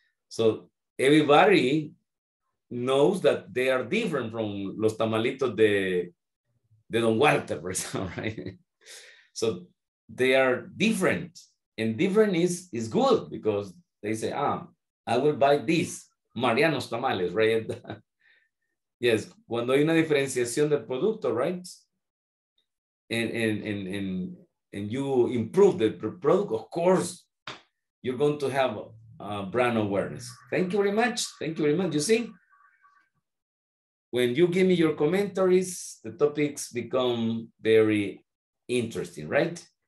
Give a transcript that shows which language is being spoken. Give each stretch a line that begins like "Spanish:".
English: So everybody knows that they are different from
Spanish: los tamalitos de Don Walter,
English: for example, right? So they are different, and different is good because they say, I will buy this, Mariano's tamales, right?
Spanish: Yes, cuando hay una diferenciación del producto, right?
English: And you improve the product, of course, you're going to have a brand awareness. Thank you very much. You see, when you give me your commentaries, the topics become very interesting, right?